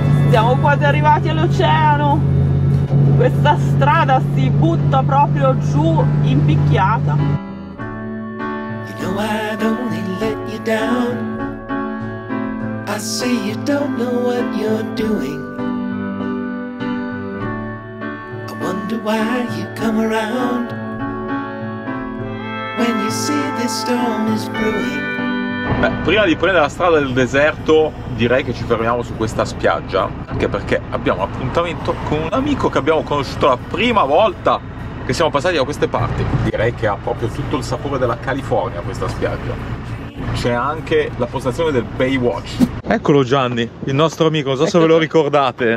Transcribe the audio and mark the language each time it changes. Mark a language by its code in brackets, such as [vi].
[it] Siamo quasi arrivati all'oceano. Questa strada si butta proprio giù in picchiata. [en] You know I'd only let you down. I see you don't know what you're doing. I wonder why you come around when you see this storm is brewing. [it] Beh, prima di prendere la strada del deserto, direi che ci fermiamo su questa spiaggia, anche perché abbiamo appuntamento con un amico che abbiamo conosciuto la prima volta che siamo passati da queste parti. Direi che ha proprio tutto il sapore della California questa spiaggia. C'è anche la postazione del Baywatch. Eccolo Gianni, il nostro amico, non so se ve lo ricordate.